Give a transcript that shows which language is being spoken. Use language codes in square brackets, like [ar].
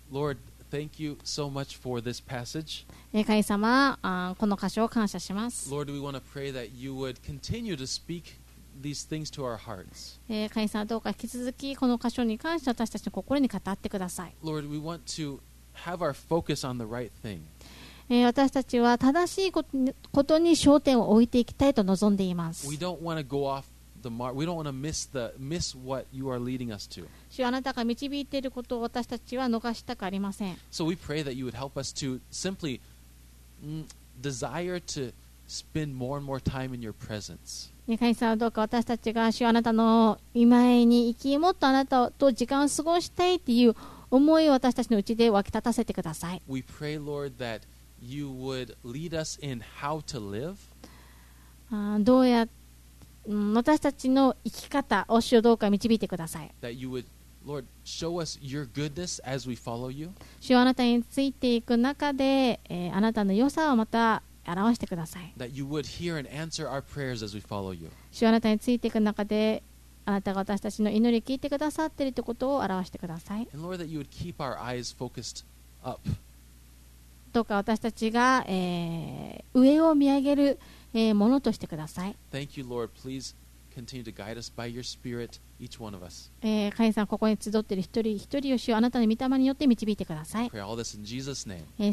[en] Lord, thank you so much for this passage. [ja] 神様、この箇所を感謝します。 [en] Lord, we want to pray that you would continue to speak these things to our hearts. [ja] 神様、どうか引き続きこの箇所に関して私たちの心に語ってください。 [en] Lord, we want to have our focus on the right thing. [ja] 私たちは正しいことに焦点を置いていきたいと望んでいます。 [en] We don't want to go off the mark. We don't want to miss what you are leading us to. [ja] 主はあなたが導いていることを私たちは逃したくありません。 [en] So we pray that you would help us to simply desire to spend more and more time in your presence. [ja] 神様はどうか私たちが主はあなたの御前に行き、もっとあなたと時間を過ごしたいという思いを私たちのうちで湧き立たせてください。 [en] We pray, Lord, that you would lead us in how to live. [ja] どうやって私たちの生き方を主をどうか導いてください。 [en] Would, Lord, [ja] 主はあなたについていく中で、あなたの良さをまた表してください。主はあなたについていく中で、あなたが私たちの祈りを聞いてくださっているということを表してください。 [en] Lord, that you would keep our eyes focused up. [ja] どうか私たちが、上を見上げるものとしてください。 [en] Thank you, Lord. Please continue to guide us by your Spirit, each one of us. [ja] 神様、ここに集っている一人一人を主よ、あなたの御霊によって導いてください。 [en] Pray all this in Jesus' name.